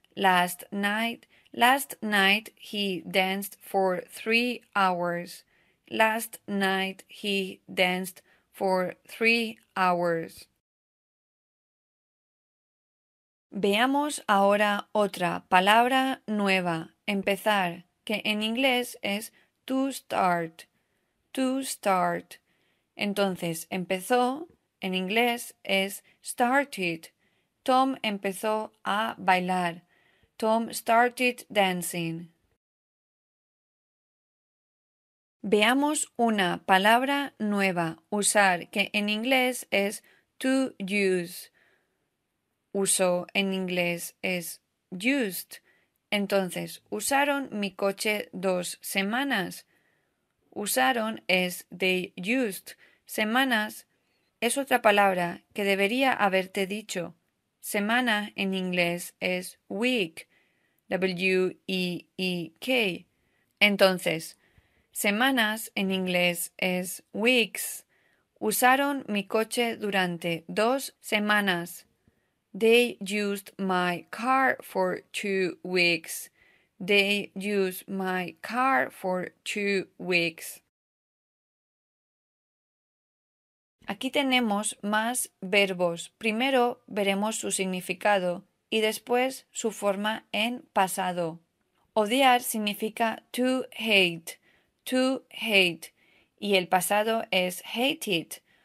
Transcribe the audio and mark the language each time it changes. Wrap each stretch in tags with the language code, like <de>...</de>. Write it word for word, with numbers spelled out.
<en>Last night, last night he danced for three hours. Last night he danced for three hours.</en> <es>Veamos ahora otra palabra nueva, empezar, que en inglés es to start, to start. Entonces, empezó, en inglés es started. Tom empezó a bailar.</es> <en>Tom started dancing.</en> <es>Veamos una palabra nueva, usar, que en inglés es to use. Uso en inglés es used. Entonces, usaron mi coche dos semanas. Usaron es they used. Semanas es otra palabra que debería haberte dicho. Semana en inglés es week. W E E K. Entonces, semanas en inglés es weeks. Usaron mi coche durante dos semanas.</es> <en>They used my car for two weeks. They used my car for two weeks.</en> <es>Aquí tenemos más verbos. Primero veremos su significado y después su forma en pasado. Odiar significa to hate, to hate, y el pasado es hated.</es>